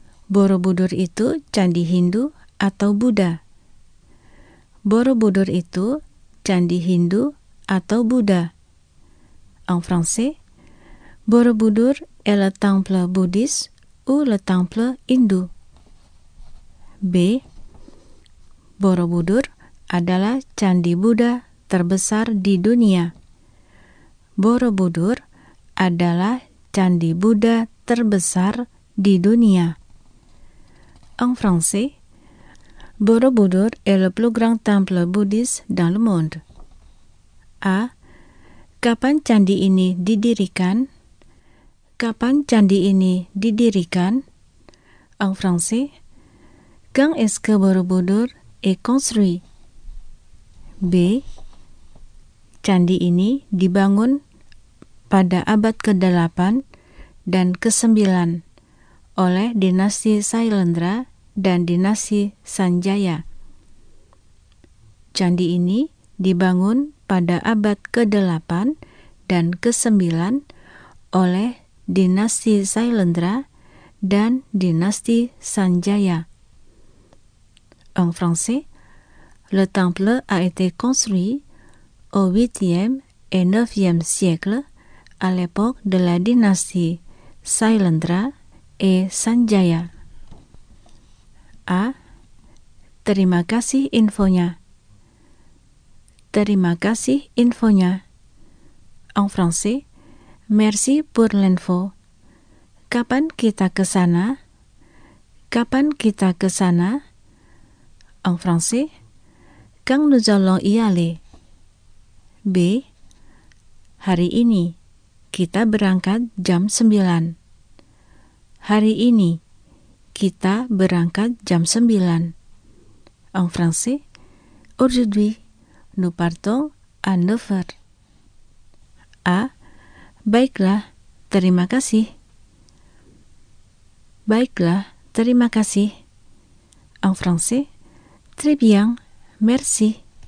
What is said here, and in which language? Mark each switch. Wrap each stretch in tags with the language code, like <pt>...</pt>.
<id>Borobudur itu candi Hindu atau Buddha? Borobudur itu candi Hindu atau Buddha?</id> <fr>En français, Borobudur est le temple bouddhiste ou le temple hindou? B.</fr> <id>Borobudur adalah candi Buddha terbesar di dunia. Borobudur adalah candi Buddha terbesar di dunia.</id> <fr>En français, Borobudur est le plus grand temple bouddhiste dans le monde. A.</fr> <id>Kapan candi ini didirikan? Kapan candi ini didirikan?</id> <fr>En français, quand est-ce que Borobudur est construit? B.</fr> <id>Candi ini dibangun pada abad ke-8 dan ke-9 oleh dinasti Sailendra dan dinasti Sanjaya. Candi ini dibangun pada abad ke-8 dan ke-9 oleh dinasti Sailendra dan dinasti Sanjaya.</id> <fr>En français, le temple a été construit au 8e et 9e siècle à l'époque de la dynastie Sailendra et Sanjaya. A.</fr> <id>Terima kasih infonya. Terima kasih infonya.</id> <fr>En français, merci pour l'info.</fr> <id>Kapan kita ke sana? Kapan kita ke sana?</id> <fr>En français, quand nous allons y aller?</fr> <id>B. Hari ini. Kita berangkat jam 9. Hari ini, kita berangkat jam 9.</id> <fr>En français, aujourd'hui, nous partons à 9h. A.</fr> <id>Baiklah, terima kasih. Baiklah, terima kasih.</id> <fr>En français, très bien, merci.</fr>